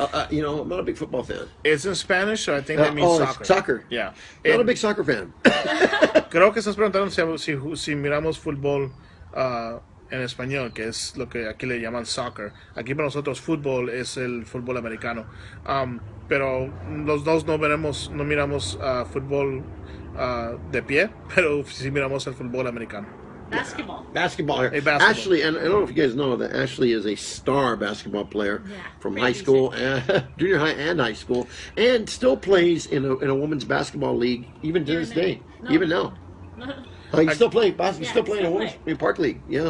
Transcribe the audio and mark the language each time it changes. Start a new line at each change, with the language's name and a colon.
English: You know, I'm not a big football fan. It's in Spanish, so I think that means soccer. Soccer. Yeah. Not a big soccer fan.
Spanish: Creo que estás preguntando si miramos fútbol en español, que es lo que aquí le llaman soccer. Aquí para nosotros fútbol es el fútbol americano. Pero los dos no miramos fútbol de pie, pero sí miramos el fútbol americano.
English: Basketball. Yeah. Basketball. Ashley, and I don't know if you guys know that Ashley is a star basketball player from high school, junior high and high school, and still plays in a women's basketball league even to this day, even now. Still playing in a women's park league,